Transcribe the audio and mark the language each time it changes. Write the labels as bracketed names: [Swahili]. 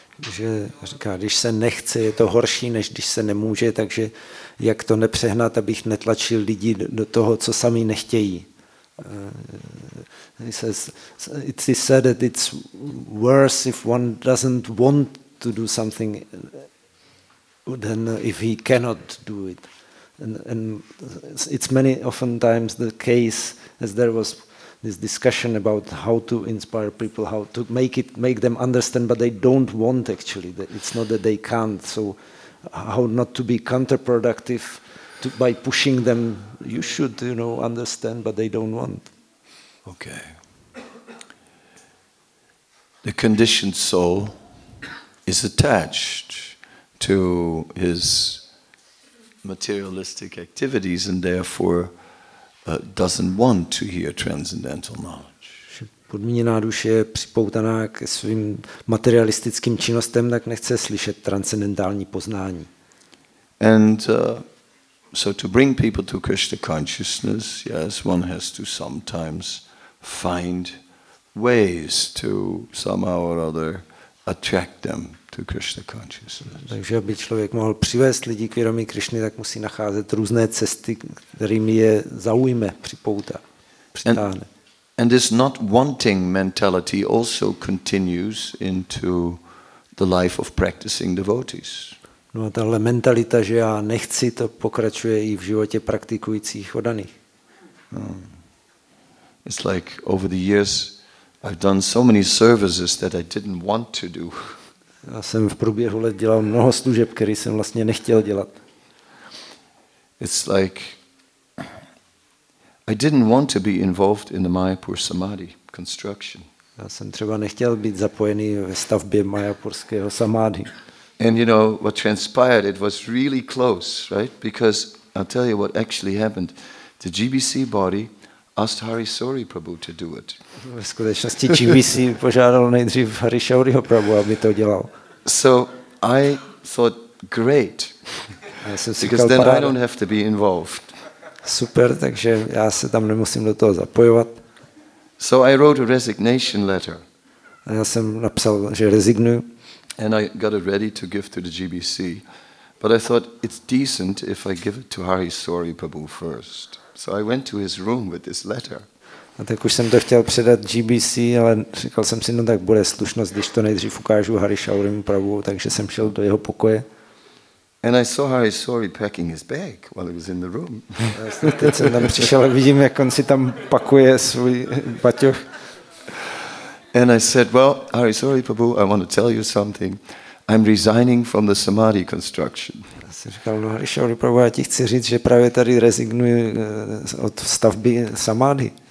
[Czech] Že říká, když se nechce, je to horší, než když se nemůže, takže jak to nepřehnat, abych netlačil lidi do toho, co sami nechtějí. [English] He says, it's said that it's worse if one doesn't want to do something than if he cannot do it. And it's many often times the case, as there was this discussion about how to inspire people, how to make them understand, but they don't want actually. It's not that they can't. So how not to be counterproductive by pushing them, you should, you know, understand, but they don't want. Okay. The conditioned soul is attached to his materialistic activities and therefore doesn't want to hear transcendental knowledge. [Czech] Že podmíněná duše je připoutaná k svým materialistickým činnostem, tak nechce slyšet transcendentální poznání. [English] And so to bring people to Krishna consciousness, yes, one has to sometimes find ways to somehow or other attract them to Krishna consciousness. [Czech] Takže aby člověk mohl přivést lidi k vědomí Krišny, tak musí nacházet různé cesty, kterými je zaujme, připouta, přitáhne. [English] And this not wanting mentality also continues into the life of practicing devotees. [Czech] No a tahle mentalita, že já nechci, to pokračuje i v životě praktikujících oddaných. [English] It's like over the years I've done so many services that I didn't want to do. [Czech] Já jsem v průběhu let dělal mnoho služeb, které jsem vlastně nechtěl dělat. [English] It's like I didn't want to be involved in the Mayapur Samadhi construction. [Czech] Já jsem třeba nechtěl být zapojený ve stavbě Mayapurského samadhi. [English] And you know what transpired? It was really close, right? Because I'll tell you what actually happened. The GBC body asked Hari Sori Prabhu to do it. [Czech] Ve skutečnosti GBC požádal nejdřív Hari Sauriho Prabhu, aby to dělal. [English] So I thought, great, because then I don't have to be involved. [Czech] Super, takže já se tam nemusím do toho zapojovat. [English] So I wrote a resignation letter. [Czech] A já jsem napsal, že rezignuju. [English] And I got it ready to give to the GBC. But I thought, it's decent if I give it to Hari Sori Prabhu first. So I went to his room with this letter. [Czech] A tak už jsem to chtěl předat GBC, ale říkal jsem si, no tak bude slušnost, když to nejdřív ukážu Hari Saurimu Prabhu, takže jsem šel do jeho pokoje. [English] And I saw Hari Sori packing his bag while he was in the room. [Czech] A teď jsem tam přišel a vidím, jak on si tam pakuje svůj baťoch. [English] And I said, well, Hari Sori Prabhu, I want to tell you something. I'm resigning from the samadhi construction. [Czech] Říkal, no, Hari Sori Prabhu, já ti chci říct, že právě tady rezignuji od stavby samadhi.